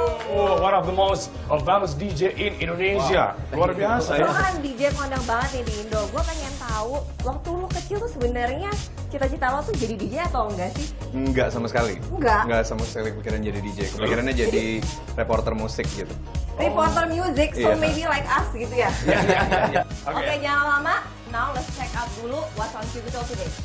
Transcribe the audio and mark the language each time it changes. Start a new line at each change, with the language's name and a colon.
English: Oh, one of the most famous DJ in Indonesia.
Indonesian: Wow. Luar biasa ya. Lo kan DJ kondang banget ini Indo. Gue pengen tahu waktu lo kecil tuh sebenarnya cita-cita lo tuh jadi DJ atau enggak sih? Enggak sama sekali. Enggak? Enggak sama sekali kepikiran jadi DJ. Kepikirannya jadi reporter musik gitu.
English: Reporter music, so yeah. Maybe like us gitu ya. Yeah.
Indonesian: Oke, okay, jangan lama.
English: Now let's check out
Indonesian: dulu
English: what's on Cubicle today.